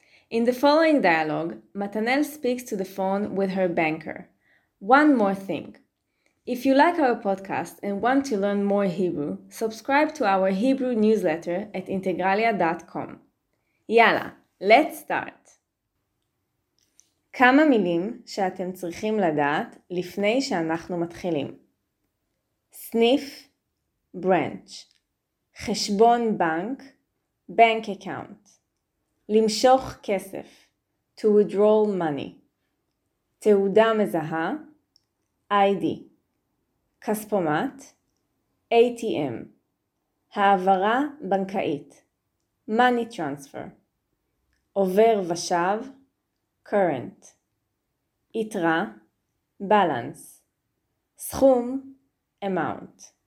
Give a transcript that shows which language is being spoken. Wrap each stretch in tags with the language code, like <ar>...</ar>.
<en>In the following dialogue, Matanel speaks to the phone with her banker. One more thing. If you like our podcast and want to learn more Hebrew, subscribe to our Hebrew newsletter at integralia.com. יאללה, let's start!</en> <he>כמה מילים שאתם צריכים לדעת לפני שאנחנו מתחילים. סניף,</he> <en>branch.</en> <he>חשבון בנק,</he> <en>bank account.</en> <he>למשוך כסף,</he> <en>to withdraw money.</en> <he>תעודה מזהה, ID. כספומט, ATM, העברה בנקאית,</he> <en>money transfer,</en> <he>עובר ושב, current, יתרה, balance, סכום, amount.</he>